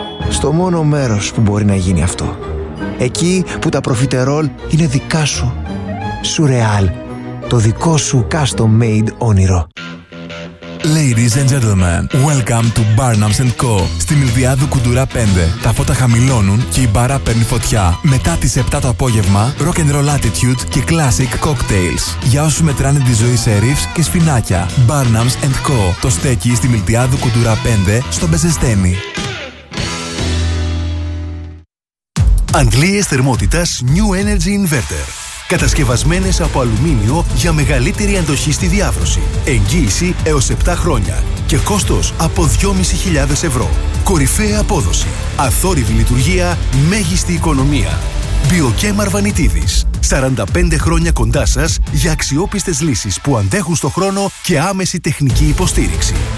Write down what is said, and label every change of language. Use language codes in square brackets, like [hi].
[el] Στο μόνο μέρος που μπορεί να γίνει αυτό. Εκεί που τα προφιτερόλ είναι δικά σου. Surreal. Το δικό σου custom made όνειρο. [en] Ladies and gentlemen, welcome to Barnum's & Co. [el] Στη Μιλδιάδου Κουντουρά 5. Τα φώτα χαμηλώνουν και η μπάρα παίρνει φωτιά. Μετά τις 7 το απόγευμα, [en] rock and roll attitude [el] και [en] classic cocktails. [el] Για όσους μετράνε τη ζωή σε ρίφς και σπινάκια. Barnum's & Co. Το στέκει στη Μιλδιάδου Κουντουρά 5 στο Μπεζεσταίνη. Αγγλίες θερμότητας New Energy Inverter. Κατασκευασμένες από αλουμίνιο για μεγαλύτερη αντοχή στη διάβρωση. Εγγύηση έως 7 χρόνια και κόστος από 2.500 ευρώ. Κορυφαία απόδοση, αθόρυβη λειτουργία, μέγιστη οικονομία. Biochem Αρβανιτίδης. 45 χρόνια κοντά σας για αξιόπιστες λύσεις που αντέχουν στο χρόνο και άμεση τεχνική υποστήριξη.